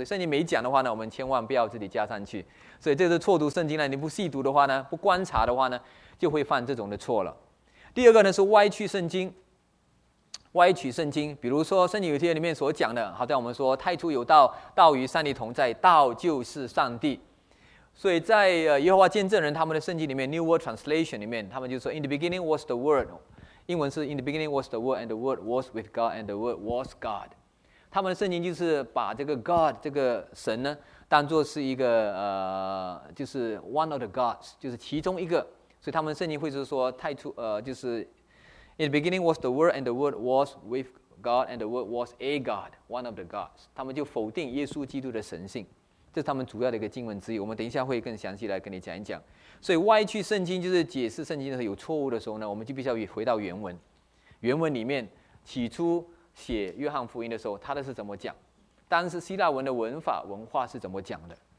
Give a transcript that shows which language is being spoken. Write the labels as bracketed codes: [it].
[zh] 所以圣经没讲的话呢，我们千万不要自己加上去。所以这是错读圣经呢，你不细读的话呢，不观察的话呢，就会犯这种的错了。第二个呢是歪曲圣经，歪曲圣经。比如说圣经有些里面所讲的，好像我们说太初有道，道与上帝同在，道就是上帝。 [en] 所以在耶和华见证人他们的圣经里面 New World Translation 里面，他们就说 In the beginning was the word，英文是 In the beginning was the word and the word was with God and the word was God。 [zh] 他们的圣经就是把这个 God 这个神呢当作是一个就是 one of the gods，就是其中一个。 [en] 所以他们圣经会是说太初就是 In the beginning was the word and the word was with God and the word was a God, one of the gods。 [zh] 他们就否定耶稣基督的神性，这是他们主要的一个经文之一，我们等一下会更详细来跟你讲一讲。所以歪曲圣经就是解释圣经的时候有错误的时候呢，我们就必须要回到原文。原文里面起初写约翰福音的时候他的是怎么讲，当时希腊文的文法文化是怎么讲的。